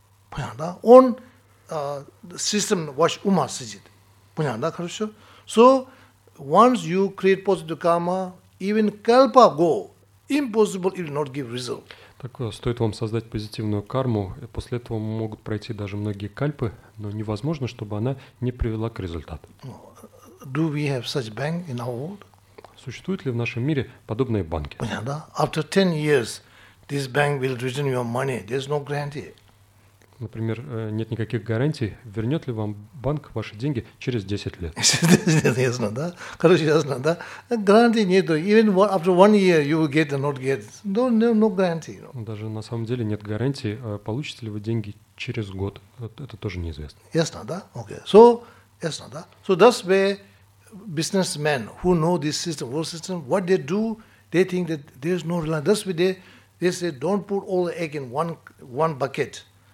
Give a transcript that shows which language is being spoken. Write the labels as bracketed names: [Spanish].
[Russian] Понятно, да? Он систем ваш ума сидит. Понятно, да? Хорошо? [English] So, once you create positive karma, even kalpa go, impossible it will not give result. [Russian] Так стоит вам создать позитивную карму, и после этого могут пройти даже многие кальпы, но невозможно, чтобы она не привела к результату. [English] Do we have such bank in our world? [Russian] Существуют ли в нашем мире подобные банки? Понятно, да? [English] After 10 years, this bank will return your money. There's no guarantee. [Russian] Например, нет никаких гарантий, вернет ли вам банк ваши деньги через 10 лет. Ясно, да? Короче, ясно, да? Гарантий нет. [English] Even after one year you will get or not get. No guarantee. [Russian] Даже на самом деле нет гарантии, получите ли вы деньги через год. Это тоже неизвестно. Ясно, да? Okay. So, ясно, да? [English] So that's where businessmen who know this system, world system, what they do, they think that there's no reliance. That's where they say, don't put all the egg in one bucket.